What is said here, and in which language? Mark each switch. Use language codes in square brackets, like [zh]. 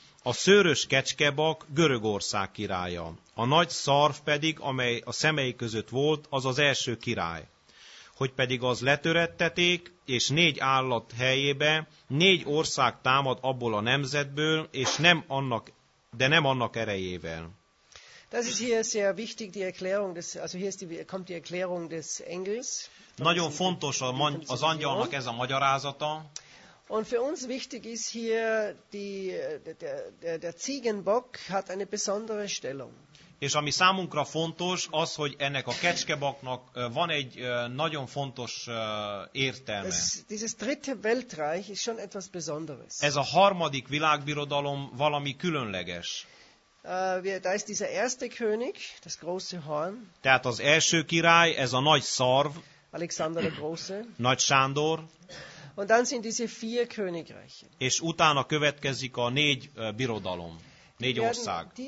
[hu] A szőrös kecskebak Görögország királya, a nagy szarv pedig, amely a szemei között volt, az az első király. Hogy pedig az letöretteték, és négy állat helyébe négy ország támad abból a nemzetből, és nem annak erejével. [de] Das ist hier sehr wichtig, die Erklärung des, also hier ist die, kommt die Erklärung des Engels. [hu] Nagyon fontos az angyalnak ez a magyarázata. [de] Und für uns wichtig ist hier, der Ziegenbock hat eine besondere Stellung. [hu] És ami számunkra fontos, az, hogy ennek a kecskebaknak van egy nagyon fontos értelme. [de] Dieses dritte Weltreich ist schon etwas Besonderes. [hu] Ez a harmadik világbirodalom valami különleges. [de] Da ist dieser erste König, das große Horn. [hu] Tehát az első király, ez a nagy szarv. [de] Alexander der Große. [hu] Nagy Sándor. [de] Und dann sind diese vier Königreiche. [hu] És utána következik a négy birodalom, négy ország.